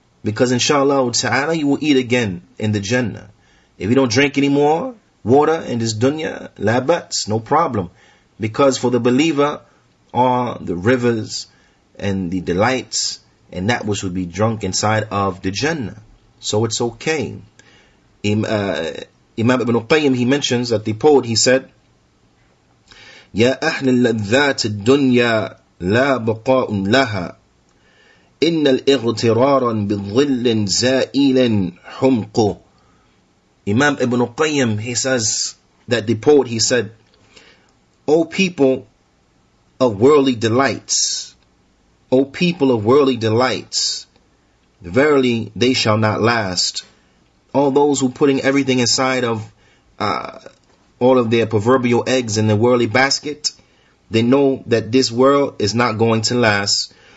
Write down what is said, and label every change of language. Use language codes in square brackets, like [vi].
[en] Because inshallah ta'ala, you will eat again in the Jannah. If you don't drink any more water in this dunya, la bats, no problem. Because for the believer are the rivers and the delights and that which will be drunk inside of the Jannah. So it's okay. Imam Ibn Qayyim, he mentions that the poet, he said, [ar] يَا أَحْلِ اللَّذَّاتِ الدُّنْيَا لَا بَقَاءٌ لَهَا إِنَّ الْإِغْتِرَارًا بِظِلٍ زَائِلٍ حُمْقُ. [en] Imam Ibn Qayyim, he says that the poet, he said, O people of worldly delights, O people of worldly delights, verily they shall not last. All those who putting everything inside of all of their proverbial eggs in the worldly basket, they know that this world is not going to last.